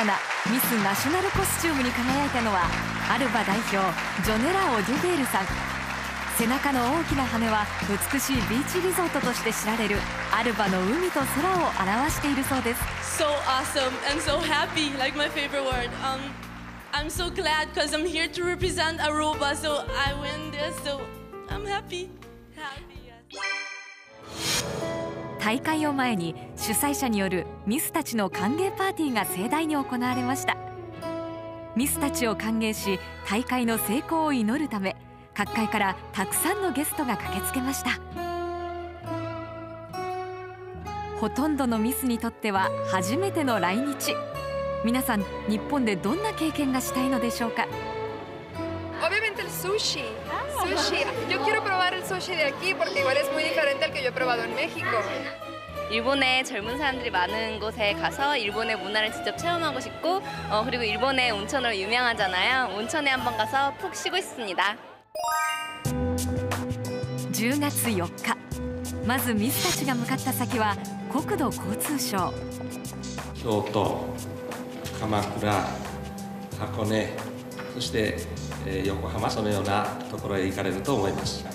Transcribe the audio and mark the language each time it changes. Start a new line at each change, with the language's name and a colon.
Japanese: 2007ミスナショナルコスチュームに輝いたのはアルバ代表ジョネラ・オデュベールさん。背中の大きな羽は美しいビーチリゾートとして知られるアルバの海と空を表しているそうです。
English: So awesome and so happy, like my favorite word. I'm so glad because I'm here to represent Aruba, so I win this, so I'm happy. Happy, yes.
Japanese: 大会を前に主催者によるミスたちの歓迎パーティーが盛大に行われました。ミスたちを歓迎し大会の成功を祈るため、各界からたくさんのゲストが駆けつけました。ほとんどのミスにとっては初めての来日。皆さん、日本でどんな経験がしたいのでしょうか。
Spanish: Obviamente el sushi. Sushi. Yo quiero probar el sushi de aquí porque igual es muy diferente al que yo he probado en México.
Korean: 일본의 젊은 사람들이 많은 곳에 가서 일본의 문화를 직접 체험하고 싶고, 그리고 일본의 온천으로 유명하잖아요. 온천에 한번 가서 푹 쉬고 싶습니다.
Japanese: 10月4日、まずミスたちが向かった先は国土交通省。京都、鎌倉、箱根、そして、横浜、そのようなところへ行かれると思います。